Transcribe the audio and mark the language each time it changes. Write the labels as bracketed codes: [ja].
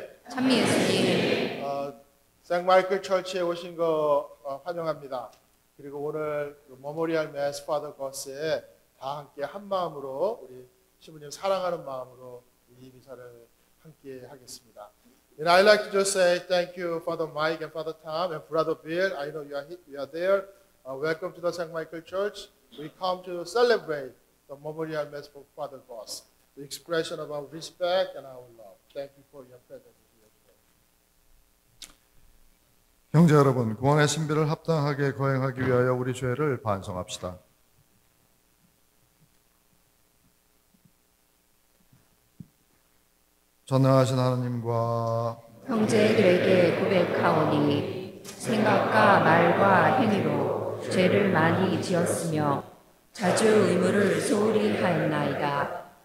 [ko] 찬미 예수님 생 마이클 철치에 오신 거 환영합니다. 그리고 오늘 머모리얼 매스 파더 거스에 다 함께 한 마음으로 우리 신부님 사랑하는 마음으로 이 미사를 함께 하겠습니다. [en] And I'd like to just say thank you, Father Mike and Father Tom and Brother Bill. I know you are there. Welcome to the St. Michael Church. We come to celebrate the Memorial Mass for Father Goss, the expression of our respect and our love. Thank you for your presence here today. [ko] 형제 여러분, 구원의 신비를 합당하게 거행하기 위하여 우리 죄를 반성합시다. 전능하신 하나님과 형제들에게 고백하오니 생각과 말과 행위로 죄를 많이 지었으며 자주 의무를 소홀히 하였나이다.